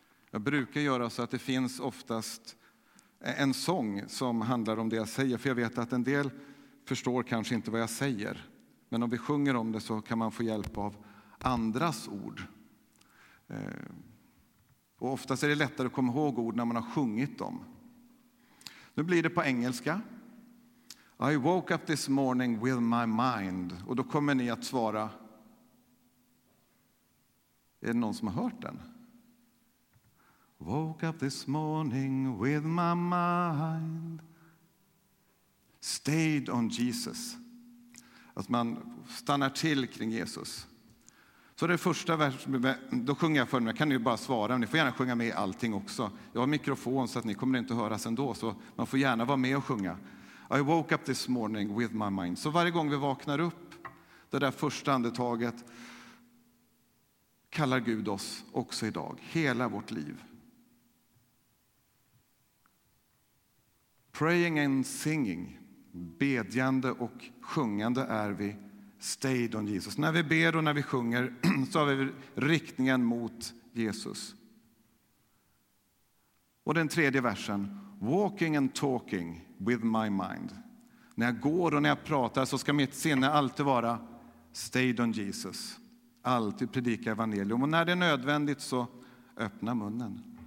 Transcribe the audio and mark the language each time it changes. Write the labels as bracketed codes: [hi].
[sv] Jag brukar göra så att det finns oftast en sång som handlar om det jag säger. För jag vet att en del förstår kanske inte vad jag säger. Men om vi sjunger om det så kan man få hjälp av andras ord. Och oftast är det lättare att komma ihåg ord när man har sjungit dem. Nu blir det på engelska. [en] I woke up this morning with my mind. [sv] Och då kommer ni att svara. Är det någon som har hört den? [en] Woke up this morning with my mind. Stayed on Jesus. [sv] Att man stannar till kring Jesus. Så det första versen, då sjunger jag för mig, kan ni ju bara svara. Ni får gärna sjunga med allting också. Jag har mikrofon så att ni kommer inte höras ändå. Så man får gärna vara med och sjunga. [en] I woke up this morning with my mind. [sv] Så varje gång vi vaknar upp, det där första andetaget, kallar Gud oss också idag. Hela vårt liv. [en] Praying and singing. [sv] Bedjande och sjungande är vi. [en] Stayed on Jesus. [sv] När vi ber och när vi sjunger så har vi riktningen mot Jesus. Och den tredje versen. [en] Walking and talking with my mind. [sv] När jag går och när jag pratar så ska mitt sinne alltid vara [en] stayed on Jesus. [sv] Alltid predika evangelium. Och när det är nödvändigt så öppna munnen.